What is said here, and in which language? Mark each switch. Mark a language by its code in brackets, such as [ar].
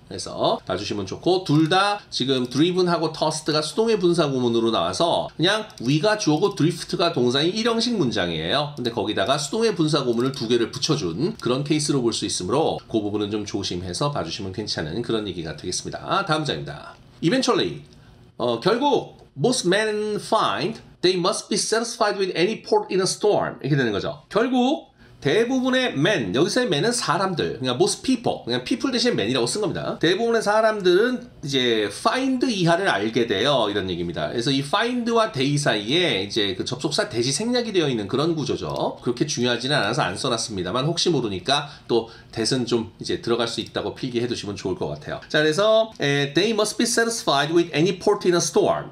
[ko] 그래서 봐주시면 좋고, 둘 다 지금 driven하고 tossed가 수동의 분사 구문으로 나와서 그냥 we가 주어고 drift가 동사인 일형식 문장이에요. 근데 거기다가 수동의 분사 구문을 두 개를 붙여준 그런 케이스로 볼 수 있으므로 그 부분은 좀 조심해서 봐주시면 괜찮은 그런 얘기가 되겠습니다. 다음 문장입니다. [en] Eventually, [ko] 결국 [en] most men find they must be satisfied with any port in a storm. [ko] 이렇게 되는 거죠. 결국 대부분의 men, 여기서의 men은 사람들, 그냥 [en] most people, [ko] 그냥 people 대신 men이라고 쓴 겁니다. 대부분의 사람들은 이제 find 이하를 알게 돼요. 이런 얘기입니다. 그래서 이 find와 they 사이에 이제 그 접속사 대시 생략이 되어 있는 그런 구조죠. 그렇게 중요하지는 않아서 안 써놨습니다만 혹시 모르니까 또 that은 좀 이제 들어갈 수 있다고 필기해 두시면 좋을 것 같아요. 자, 그래서 [en] they must be satisfied with any port in a storm.